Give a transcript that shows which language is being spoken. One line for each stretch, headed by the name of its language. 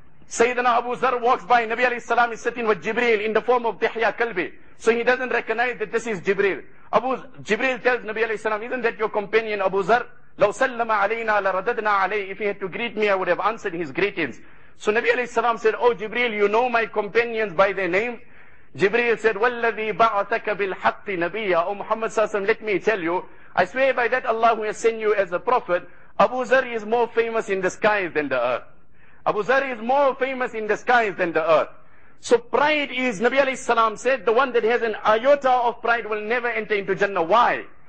English: Sayyidina Abu Zar walks by, Nabi alayhi salam is sitting with Jibreel in the form of Dihya Kalbi. So he doesn't recognize that this is Jibreel. Jibreel tells Nabi alayhi salam, isn't that your companion Abu Zar?
Arabic: لو سلم علينا لرددنا عليه.
English: If he had to greet me, I would have answered his greetings. So Nabi alayhi salam said, oh Jibreel, you know my companions by their name? Jibreel said,
Arabic: وَالَّذِي بَعَثَكَ بِالْحَقِّ نَبِيًّا.
English: Oh Muhammad sallallahu alayhi wa sallam, let me tell you, I swear by that Allah who has sent you as a prophet, Abu Zar is more famous in the skies than the earth. Abu Zar is more famous in the skies than the earth. So pride is, Nabi alayhi salam said, the one that has an iota of pride will never enter into Jannah. Why?